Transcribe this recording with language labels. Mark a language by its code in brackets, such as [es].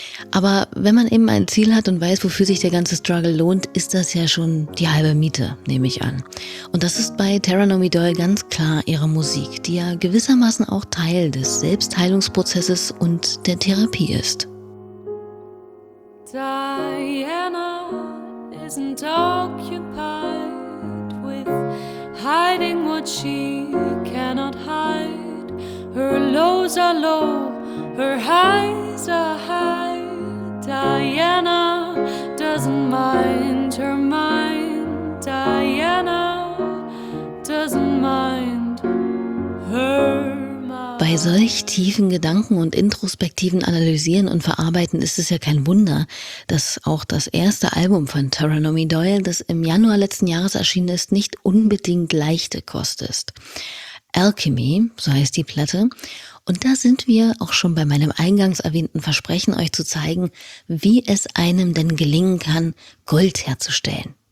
[de] Aber wenn man eben ein Ziel hat und weiß, wofür sich der ganze Struggle lohnt, ist das ja schon die halbe Miete, nehme ich an. Und das ist bei Tara Nomi Doyle ganz klar ihre Musik, die ja gewissermaßen auch Teil des Selbstheilungsprozesses und der Therapie ist. [en] Diana isn't occupied with hiding what she cannot hide. Her lows are low, her highs are high. Diana doesn't mind her mind. Diana doesn't mind her mind. [de] Bei solch tiefen Gedanken und introspektiven Analysieren und Verarbeiten ist es ja kein Wunder, dass auch das erste Album von Tara Nomi Doyle, das im Januar letzten Jahres erschienen ist, nicht unbedingt leichte Kost ist. Alchemy, so heißt die Platte. Und da sind wir auch schon bei meinem eingangs erwähnten Versprechen, euch zu zeigen, wie es einem denn gelingen kann, Gold herzustellen.